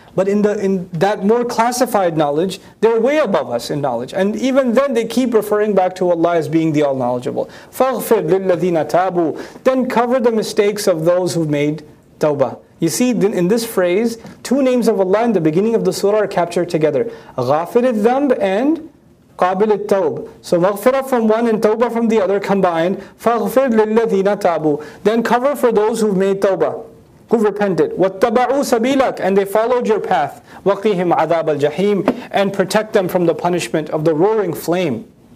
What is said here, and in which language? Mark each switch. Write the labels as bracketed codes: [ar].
[en] But in that more classified knowledge, they're way above us in knowledge. And even then they keep referring back to Allah as being the all-knowledgeable. [ar] فَغْفِرْ لِلَّذِينَ تَابُوا. [en] Then cover the mistakes of those who've made tawbah. You see, in this phrase, two names of Allah in the beginning of the surah are captured together. [ar] غَافِرِ الذَّنْبِ and قَابِلِ التَّوْبِ. [en] So مَغْفِرَ from one and tawbah from the other combined. [ar] فَغْفِرْ لِلَّذِينَ تَابُوا. [en] Then cover for those who've made tawbah, who repented. [ar] وَاتَّبَعُوا سَبِيلَكَ. [en] And they followed Your path. [ar] وَقِهِمْ عَذَابَ الْجَحِيمِ. [en] And protect them from the punishment of the roaring flame.